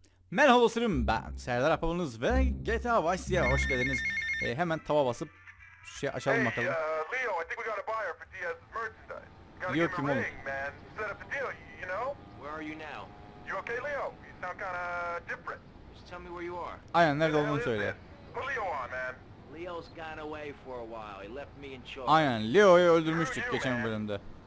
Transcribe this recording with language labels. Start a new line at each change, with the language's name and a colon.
Turkish: Merhaba dostlarım, ben Serdar Apabınız ve GTA Vice City'ye hoş geldiniz. Hemen tava basıp şey açalım hey, bakalım.
English: Leo, I think we got a buyer for Diaz merchandise. Gotta give him a ring, man. Set up a deal, you know? Where are you now? You okay, Leo? You sound kind of different. Just tell me where you are.
Turkish: Aynen, nerede olduğunu söyle.
English: Put Leo on, man. Leo's gone away for a while. He left me in charge.
Turkish: Aynen, Leo'yu öldürmüştük geçen bölümde.